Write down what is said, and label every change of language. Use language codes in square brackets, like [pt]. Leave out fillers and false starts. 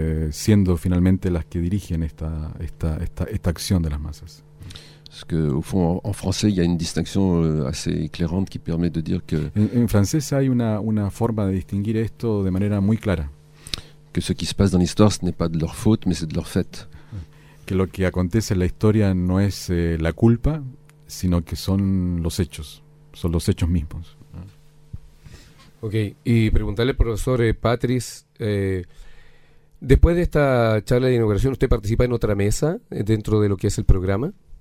[es] Siendo finalmente las que dirigen esta acción de las masas. [fr] Parce que au fond, en français, il y a une distinction assez éclairante qui permet de dire que. [es] En francés hay una forma de distinguir esto de manera muy clara. [fr] que ce qui se passe dans l'histoire, ce n'est pas de leur faute, mais c'est de leur fait. [es] Que lo que acontece en la historia no es la culpa, sino que son los hechos mismos. Ok, y preguntarle al profesor Patrice, después de esta charla de inauguración, ¿usted participa en otra mesa dentro de lo que es el programa?